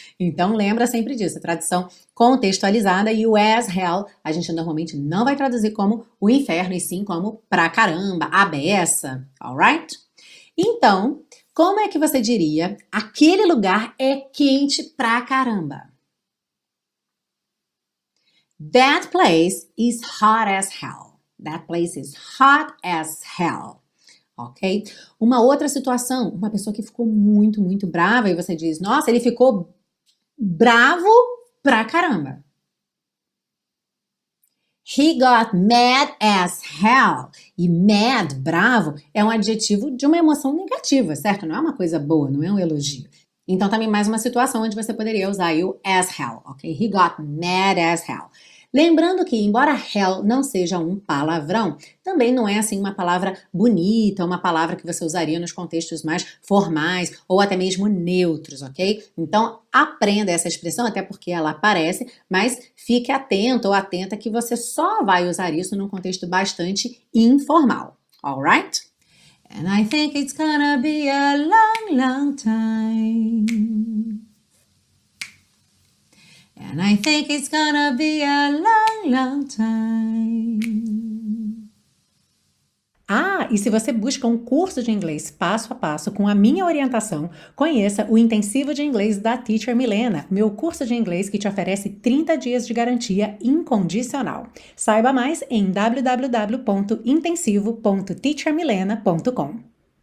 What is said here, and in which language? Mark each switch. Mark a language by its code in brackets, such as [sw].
[pt] Então, lembra sempre disso, a tradução contextualizada e o as hell, a gente normalmente não vai traduzir como o inferno, e sim como pra caramba, a beça, alright? Então, como é que você diria, aquele lugar é quente pra caramba? [en] That place is hot as hell. That place is hot as hell. Ok? [pt] Uma outra situação, uma pessoa que ficou muito, muito brava e você diz, nossa, ele ficou bravo pra caramba. [en] He got mad as hell. [pt] E mad, bravo, é um adjetivo de uma emoção negativa, certo? Não é uma coisa boa, não é um elogio. Então, também mais uma situação onde você poderia usar o as hell, ok? [en] He got mad as hell. [pt] Lembrando que, embora hell não seja um palavrão, também não é assim uma palavra bonita, uma palavra que você usaria nos contextos mais formais ou até mesmo neutros, ok? Então, aprenda essa expressão, até porque ela aparece, mas fique atento ou atenta que você só vai usar isso num contexto bastante informal, alright? [en] And I think it's gonna be a long, long time. And I think it's gonna be a long, long time. [pt] Ah, e se você busca um curso de inglês passo a passo com a minha orientação, conheça o Intensivo de Inglês da Teacher Milena, meu curso de inglês que te oferece 30 dias de garantia incondicional. Saiba mais em www.intensivo.teachermilena.com.